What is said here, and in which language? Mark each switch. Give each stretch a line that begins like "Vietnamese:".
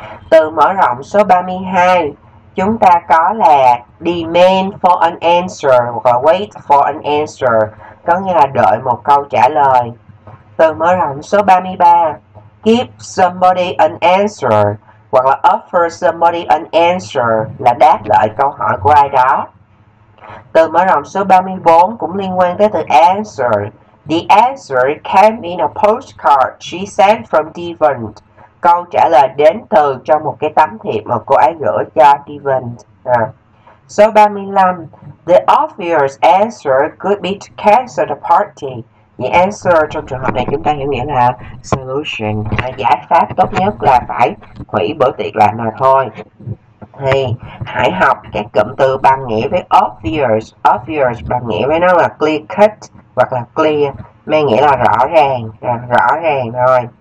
Vietnamese: Từ mở rộng số 32, chúng ta có là
English: demand for an answer
Vietnamese: và
English: wait for an answer,
Vietnamese: có nghĩa là đợi một câu trả lời. Từ mở rộng số 33,
English: give somebody an answer
Vietnamese: hoặc là
English: offer somebody an answer
Vietnamese: là đáp lại câu hỏi của ai đó. Từ mở rộng số 34 cũng liên quan tới từ answer.
English: The answer came in a postcard she sent from Devant.
Vietnamese: Câu trả lời đến từ trong một cái tấm thiệp mà cô ấy gửi cho Devant. Số 35.
English: The obvious answer could be to cancel the party.
Vietnamese: The answer trong trường hợp này chúng ta hiểu nghĩa là solution, là giải pháp tốt nhất là phải hủy bữa tiệc lại mà thôi. Thì hãy học các cụm từ bằng nghĩa với obvious. Obvious bằng nghĩa với nó là
English: clear cut
Vietnamese: hoặc là clear, mang nghĩa là rõ ràng thôi.